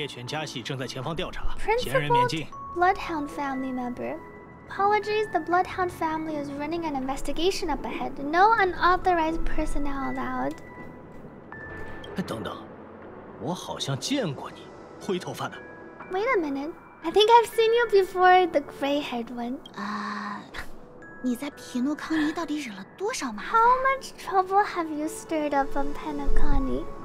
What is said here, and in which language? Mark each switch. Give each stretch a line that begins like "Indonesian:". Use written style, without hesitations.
English: Bloodhound family member. Apologies, the Bloodhound family is running an investigation up ahead. No unauthorized personnel allowed.
Chinese: 等等，我好像见过你，灰头发的。
English: Wait a minute. I think I've seen you before, the gray-haired one.
Chinese: 你在皮诺康尼到底惹了多少麻烦？
English: How much trouble have you stirred up on Panacani?